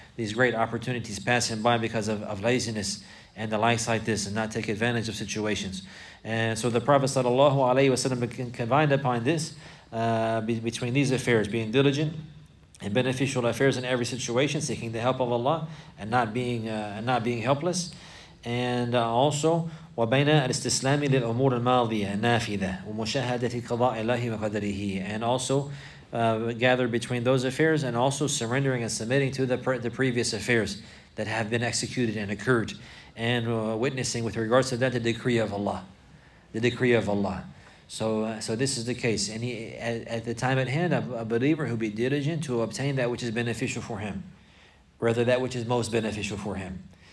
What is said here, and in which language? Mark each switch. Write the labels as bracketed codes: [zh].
[en] these great opportunities passing by because of laziness and the likes like this, and not take advantage of situations. And so the Prophet sallallahu alaihi wasallam combined upon this, between these affairs, being diligent in beneficial affairs in every situation, seeking the help of Allah, and not being helpless. And also, [ar] وَبَيْنَا الْإِسْتِسْلَامِ لِلْأُمُورِ الْمَاضِيَةِ النَّافِذَةِ وَمُشَهَدَةِ قَضَاءِ اللَّهِ وَقَدَرِهِ. [en] And also, gather between those affairs, and also surrendering and submitting to the previous affairs that have been executed and occurred, and witnessing with regards to that the decree of Allah. The decree of Allah. So this is the case. And he, at the time at hand, a believer who be diligent to obtain that which is beneficial for him, rather that which is most beneficial for him.